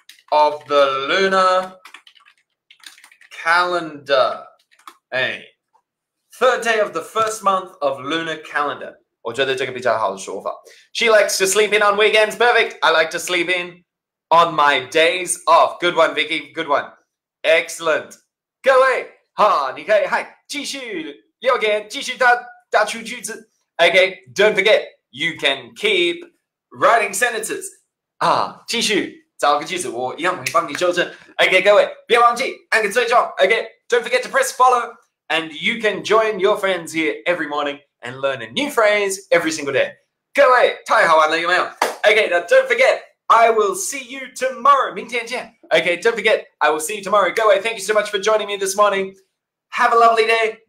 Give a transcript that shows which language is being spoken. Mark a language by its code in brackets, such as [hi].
[en] of the lunar calendar, third day of the first month of lunar calendar, [zh] 我觉得这个比较好的说法 [en] She likes to sleep in on weekends, perfect, I like to sleep inOn my days off. Good one, Vicky. Good one. Excellent. [zh] 各位，好，你可以嗨，继续留言，继续打出句子。 [en] Okay, don't forget, you can keep writing sentences. [zh] 啊，继续找个句子，我一样会帮你纠正。 [en] Okay, [zh] 各位，别忘记按个追踪。 [en] Okay, don't forget to press follow. And you can join your friends here every morning and learn a new phrase every single day. [zh] 各位，太好玩了，有没有 ？ [en] Okay, now don't forget. I will see you tomorrow. [zh] 明天见。 [en] Okay, don't forget, I will see you tomorrow. Go away. Thank you so much for joining me this morning. Have a lovely day.